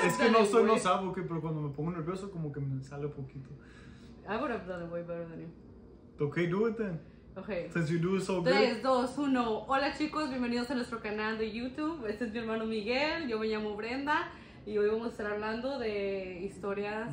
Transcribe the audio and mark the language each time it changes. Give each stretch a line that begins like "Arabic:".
Spanish: es que no soy no sabo, okay, pero cuando me pongo nervioso, como que me sale un poquito.
English: I would have done it way better than you. Okay, do it then. Okay. Since you do so good. 3, 2, 1.
Spanish: Hola chicos, bienvenidos a nuestro canal de YouTube. Este es mi hermano Miguel, yo me llamo Brenda. Y hoy vamos a estar hablando de historias